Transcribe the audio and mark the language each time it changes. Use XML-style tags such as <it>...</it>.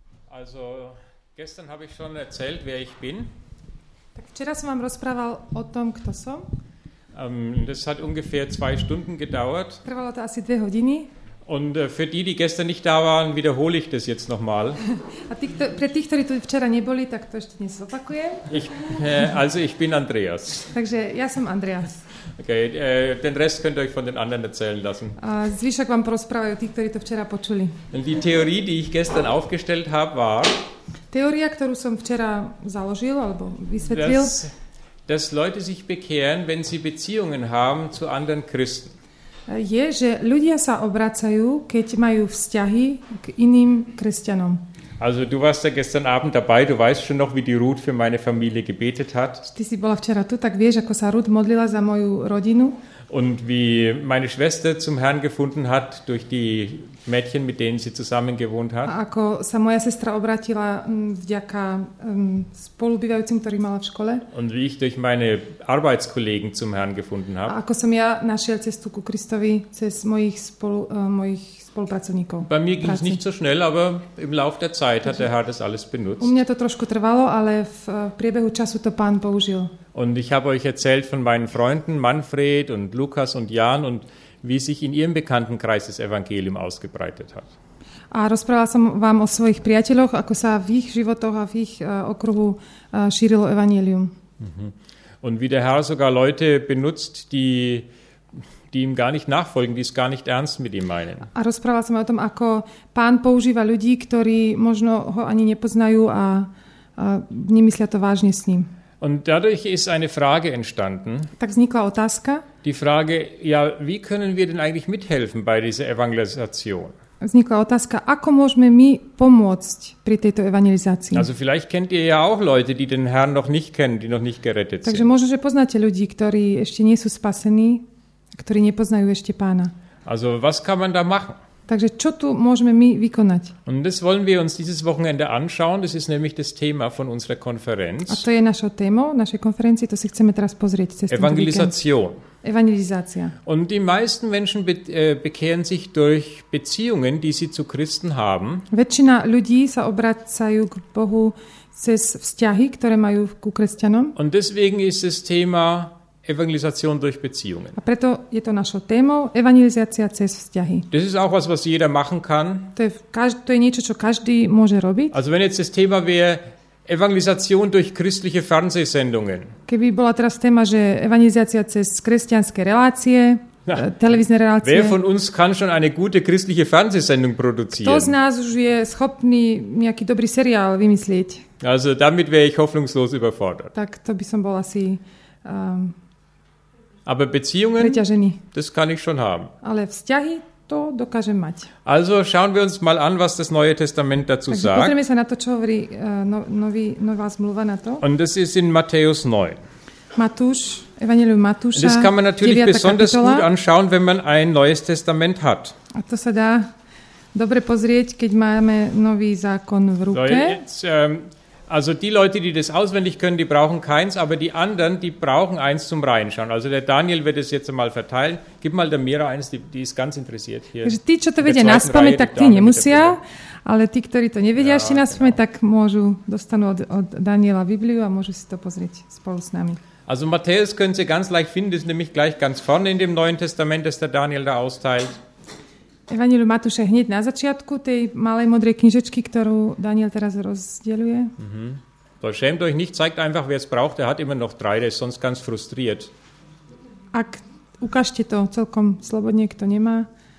<de>Also gestern habe ich schon erzählt, wer ich bin.</de> <sk>Tak včera jsem vám rozprával o tom, kto som.</sk> <de>Das hat ungefähr 2 Stunden gedauert.</de> <sk>Trvalo to asi 2 hodiny.</sk> <de>Und für die gestern nicht da waren, wiederhole ich das jetzt nochmal.</de> <sk>A pre tých, ktorí tu včera neboli, tak to ešte dnes opakujem.</sk> <de>Ich bin Andreas.</de> <sk>Takže ja som Andreas.</sk> <de>Okay, den Rest könnt ihr euch von den anderen erzählen lassen.</de> <sk>A zvyšok vám porozprávajú tí, ktorí to včera počuli.</sk> <de>Die Theorie, die ich gestern aufgestellt habe, war...</de> <sk>Teória, ktorú som včera založil alebo vysvetlil...</sk> <de>Dass Leute sich bekehren, wenn sie Beziehungen haben zu anderen Christen.</de> <sk>Je, že ľudia sa obracajú, keď majú vzťahy k iným kresťanom.</sk> <de>Also du warst ja gestern Abend dabei, du weißt schon noch, wie die Ruth für meine Familie gebetet hat.</de> <sk>Ty si bola včera tu, tak vieš, ako sa Ruth modlila za moju rodinu.</sk> <de>Und wie meine Schwester zum Herrn gefunden hat, durch die Mädchen, mit denen sie zusammen gewohnt hat.</de> <sk>A ako sa moja sestra obrátila vďaka spolubývajúcim, ktorý mala v škole.</sk> <de>Und wie ich durch meine Arbeitskollegen zum Herrn gefunden habe.</de> <sk>A ako som ja našiel cestu ku Kristovi cez mojich spolupracovníkov.</sk> <de>Bei mir ging es nicht so schnell, aber im Lauf der Zeit hat der Herr das alles benutzt.</de> <sk>U mňa to trošku trvalo, ale v priebehu času to Pán použil.</sk> <de>Und ich habe euch erzählt von meinen Freunden Manfred und Lukas und Jan und wie sich in ihrem Bekanntenkreis das Evangelium ausgebreitet hat.</de> <sk>A rozprávala som vám o svojich priateľoch, ako sa v ich životoch a v ich okruhu šírilo Evangelium.</sk> <de>Und wie der Herr sogar Leute benutzt, die ihm gar nicht nachfolgen, die es gar nicht ernst mit ihm meinen.</de> <sk>A rozprávala som o tom, ako Pán používa ľudí, ktorí možno ho ani nepoznajú a nemyslia to vážne s ním.</sk> <de>Und dadurch ist eine Frage entstanden.</de> <sk>Tak vznikla otázka.</sk> <de>Die Frage, ja, wie können wir denn eigentlich mithelfen bei dieser Evangelisation?</de> <sk>Vznikla otázka, ako môžeme my pomôcť pri tejto evangelizácii?</sk> <de>Also vielleicht kennt ihr ja auch Leute, die den Herrn noch nicht kennen, die noch nicht gerettet sind.</de> <sk>Takže možno, že poznáte ľudí, ktorí ešte nie sú spasení, ktorí nepoznajú ešte Pána.</sk> <de>Also was kann man da machen?</de> <sk>Takže čo tu môžeme my vykonať?</sk> <de>Und das wollen wir uns dieses Wochenende anschauen. Das ist nämlich das Thema von unserer Konferenz.</de> <sk>A to je naša téma našej konferencie, to si chceme teraz pozrieť.</sk> <de>Evangelisation.</de> <sk>Evangelizácia.</sk> <de>Und die meisten Menschen bekehren sich durch Beziehungen, die sie zu Christen haben.</de> <sk>Väčšina ľudí sa obracajú k Bohu cez vzťahy, ktoré majú ku kresťanom.</sk> <de>Und deswegen ist das Thema Evangelisation durch Beziehungen.</de> <sk>A preto je to našou témou evangelizácia cez vzťahy.</sk> <de>Das ist auch was jeder machen kann.</de> <sk>To je niečo, čo každý môže robiť.</sk> <de>Also wenn jetzt das Thema wäre Evangelisation durch christliche Fernsehsendungen.</de> <sk>Keby bola teraz téma, že evangelizácia cez kresťanské relácie, televízne relácie.</sk> <de>Wer von uns kann schon eine gute christliche Fernsehsendung produzieren?</de> <sk>Kto z nás už je schopný nejaký dobrý seriál vymyslieť?</sk> <de>Also damit wäre ich hoffnungslos überfordert.</de> <sk>Tak to by som bol asi...</sk> <de>Aber Beziehungen,</de> <sk>preťažený.</sk> <de>Das kann ich schon haben.</de> <sk>Ale vzťahy to dokážem mať.</sk> <de>Also schauen wir uns mal an, was das Neue Testament dazu</de> <sk>Takže</sk> <de>sagt.</de> <sk>Pozrieme sa na to, čo hovorí nová zmluva na to.</sk> <de>Und das ist in Matthäus 9.</de> <sk>Matúš, Evangelium Matúša,</sk> <de>das kann man natürlich besonders</de> <sk>kapitola.</sk> <de>Gut anschauen, wenn man ein Neues Testament hat.</de> <sk>A to sa dá dobre pozrieť, keď máme nový zákon v ruke.</sk> <de>Also die Leute, die das auswendig können, die brauchen keins, aber die anderen, die brauchen eins zum Reinschauen. Also der Daniel wird es jetzt mal verteilen. Gib mal der Mira eins, die ist ganz interessiert hier.</de> <sk>Takže tí, čo to vedia naspamäť, tak tí nemusia, ale tí, ktorí to nevedia ešte naspamäť, tak môžu dostanú od Daniela Bibliu a môžu si to pozrieť spolu s nami.</sk> <de>Also Matthäus können Sie ganz leicht finden, das ist nämlich gleich ganz vorne in dem Neuen Testament, das der Daniel da austeilt.</de> <sk>Evangelium Matúša hneď na začiatku tej malej modrej knižečky, ktorú Daniel teraz rozdeľuje.</sk> <de>Schämt euch nicht, zeigt einfach, wer es braucht. Er hat immer noch 3, der ist sonst ganz frustriert.</de> <sk>Ak, ukážte to celkom slobodne, kto nemá.</sk>